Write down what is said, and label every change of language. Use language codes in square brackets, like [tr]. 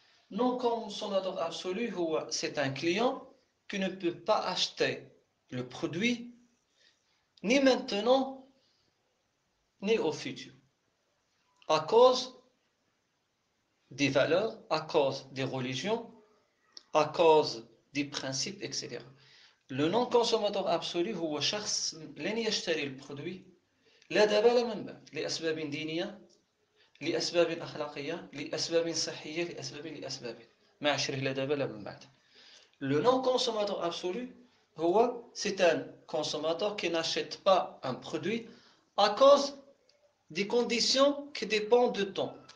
[fr] Non consommateur absolu, c'est un client qui ne peut pas acheter le produit ni maintenant ni au futur, à cause des valeurs, à cause des religions, à cause des principes, etc. Le non-consommateur absolu, [ar] هو شخص لن يشتري البرودوي لا دابا لا من بعد, لأسباب دينية, لأسباب أخلاقية, لأسباب صحية, لأسباب ما عشره لا دابا لا من بعد. [fr] Le non-consommateur absolu, هو c'est un consommateur qui n'achète pas un produit à cause des conditions qui dépendent du temps.